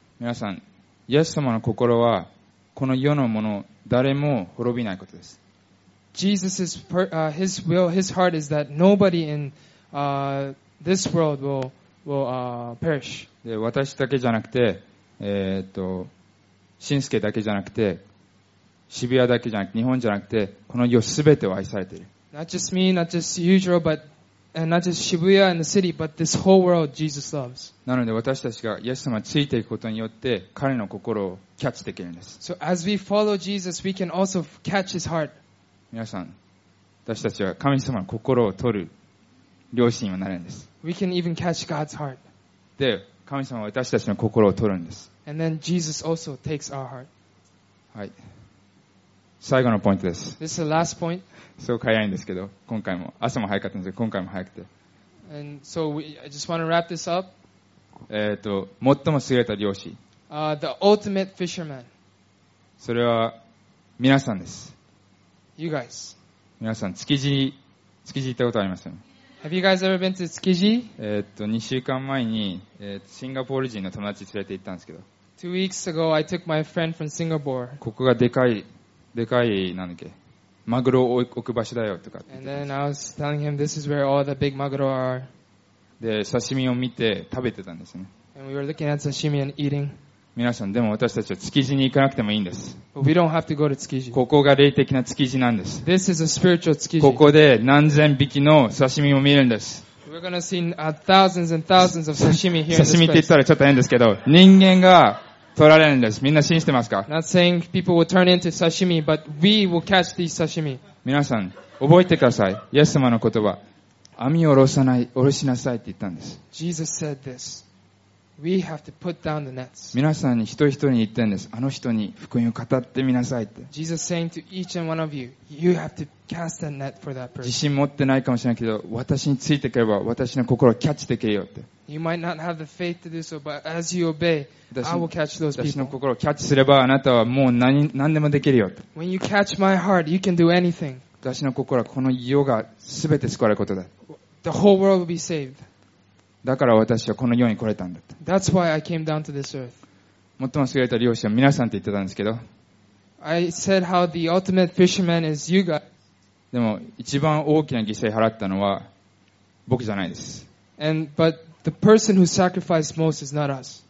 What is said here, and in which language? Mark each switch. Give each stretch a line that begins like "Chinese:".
Japanese: 皆さん、イエス様の心はこの世のもの誰も滅びないことです。
English: Jesus's his will, his heart is that nobody in this world will perish.
Japanese: で、私だけじゃなくて、しんすけだけじゃなくて、渋谷だけじゃなくて、日本じゃなくて、この世すべてを愛されている。
English: Not just me, not just Yujiro, but and not just Shibuya and the city, but this whole world Jesus loves.
Japanese: なので私たちがイエス様についていくことによって彼の心をキャッチできるんです。
English: So as we follow Jesus, we can also catch his heart.
Japanese: 皆さん、私たちは神様の心を取る良心にもなれるんです。
English: We can even catch God's heart.
Japanese: で、神様は私たちの心を取るんです。
English: And then Jesus also takes our heart.
Japanese: はい。最後のポイントです。
English: This is the last point.
Japanese: すごく早いんですけど、今回も、朝も早かったんですけど、今回も早くて。
English: And so we, I just want to wrap this up.
Japanese: 最も優れた漁師。
English: The ultimate fisherman.
Japanese: それは、皆さんです。
English: You guys.
Japanese: 皆さん、築地行ったことありますよね。
English: Have you guys ever been to 築地?
Japanese: 2週間前に、シンガポール人の友達連れて行ったんですけど。
English: 2 weeks ago, I took my friend from Singapore.
Japanese: ここがでかい、なんだっけ、マグロを置く場所だよとかって
English: 。And then I was telling him this is where all the big maguro are.
Japanese: で、刺身を見て食べてたんですね。
English: And we were looking at sashimi and eating.
Japanese: 皆さん、でも私たちは築地に行かなくてもいいんです。
English: But we don't have to go to 築地。
Japanese: ここが霊的な築地なんです。
English: This is a spiritual 築地。
Japanese: ここで何千匹の刺身を見るんです。
English: We're gonna see thousands and thousands of sashimi here in this place.
Japanese: 刺身って言ったらちょっと変ですけど、人間が取られるんです。みんな信じてますか？
English: Not saying people will turn into sashimi, but we will catch these sashimi.
Japanese: 皆さん、覚えてください。イエス様の言葉、網を下ろしなさいって言ったんです。
English: Jesus said this. We have to put down the nets.
Japanese: 皆さんに一人一人に言ってんです。あの人に福音を語ってみなさいって。
English: Jesus saying to each and one of you, you have to cast a net for that person.
Japanese: 自信持ってないかもしれないけど、私についてくれば私の心をキャッチできるよって。
English: You might not have the faith to do so, but as you obey, I will catch those people.
Japanese: 私の心をキャッチすればあなたはもう何でもできるよって。
English: When you catch my heart, you can do anything.
Japanese: 私の心はこの世が全て救われることだ。
English: The whole world will be saved.
Japanese: だから私はこの世に来れたんだって。
English: That's why I came down to this earth.
Japanese: 最も優れた漁師は皆さんって言ってたんですけど。
English: I said how the ultimate fisherman is you guys.
Japanese: でも一番大きな犠牲払ったのは僕じゃないです。
English: And, but the person who sacrificed most is not us.